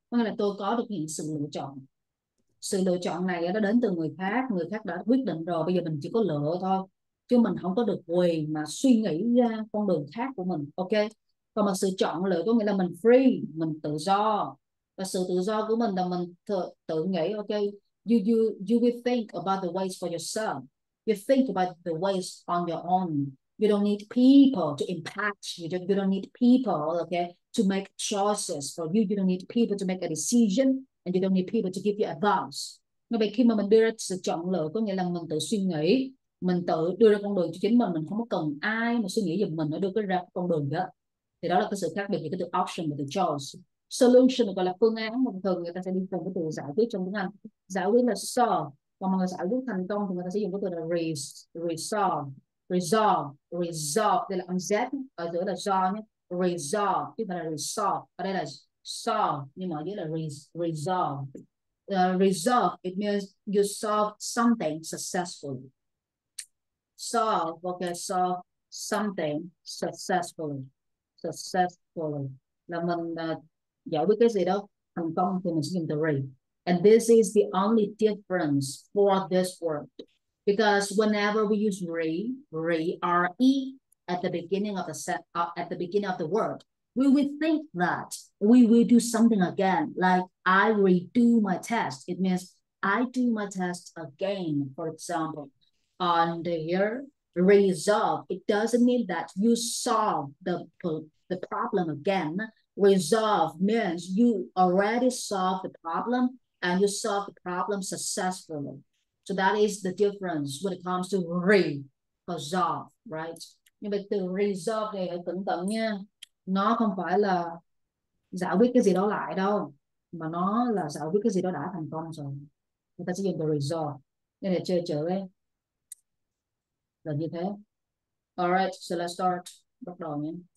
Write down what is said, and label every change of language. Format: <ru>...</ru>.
<vi>Có nghĩa là tôi có được những sự lựa chọn. Sự lựa chọn này nó đến từ người khác. Người khác đã quyết định rồi. Bây giờ mình chỉ có lựa thôi. Chứ mình không có được quyền mà suy nghĩ ra con đường khác của mình. Ok. Còn mà sự chọn lựa có nghĩa là mình free. Mình tự do. Và sự tự do của mình là mình tự nghĩ. Ok.</vi> <en>You will think about the ways for yourself. You think about the ways on your own. You don't need people to impact you. You don't need people, okay, to make choices for you. You don't need people to make a decision. And you don't need people to give you advice.</en> <vi>Nói vậy khi mà mình đưa ra sự chọn lựa, có nghĩa là mình tự suy nghĩ. Mình tự đưa ra con đường cho chính mình. Mình không có cần ai mà suy nghĩ giùm mình để đưa ra con đường đó. Thì đó là cái sự khác biệt giữa từ option và từ choice. Solution gọi là phương án. Một thường người ta sẽ đi cùng cái từ giải quyết trong tiếng Anh. Giải quyết là solve. Còn mà người giải quyết thành công thì người ta sẽ dùng cái từ là resolve. Resolve, đây là âm Z, ở dưới là do nhé. Resolve, chứ không phải là resolve. Ở đây là solve, nhưng mà ở dưới là resolve.</vi> <en>Resolve, it means you solve something successfully. Solve something successfully. Successfully.</en> <vi>Là mình giải quyết cái gì đó, thành công thì mình sẽ dùng từ re.</vi> <en>And this is the only difference for this word. Because whenever we use re at the beginning of the word, we will think that we will do something again. Like I redo my test. It means I do my test again, for example. And here, resolve. It doesn't mean that you solve the problem again. Resolve means you already solved the problem and you solved the problem successfully. So that is the difference when it comes to resolve, right?</en> <vi>Nhưng mà từ resolve này hãy cẩn thận nha. Nó không phải là giải quyết cái gì đó lại đâu. Mà nó là giải quyết cái gì đó đã thành công rồi. Người ta sẽ dùng từ resolve. Nên là chơi chữ ấy. Là như thế.</vi> <en>Alright, so let's start.</en> <vi>Bắt đầu nhé.</vi>